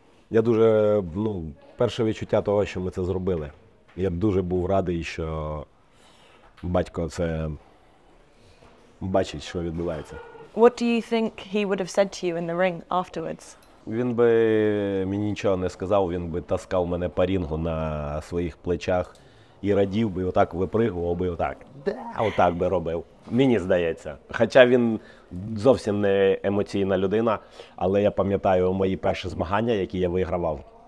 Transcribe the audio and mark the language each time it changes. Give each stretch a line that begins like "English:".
Ukrainian: Я дуже, ну, перше відчуття того, що ми це зробили. Я дуже був радий, що батько це бачить, що відбувається.
English: What do you think he would have said to you in the ring afterwards?
Ukrainian: Він би мені нічого не сказав, він би таскав мене по рингу на своїх плечах і радів би, отак випригував би, отак. Да, отак би робив. Мені здається. Хоча він зовсім не емоційна людина, але я пам'ятаю мої перші змагання, які я вигравав.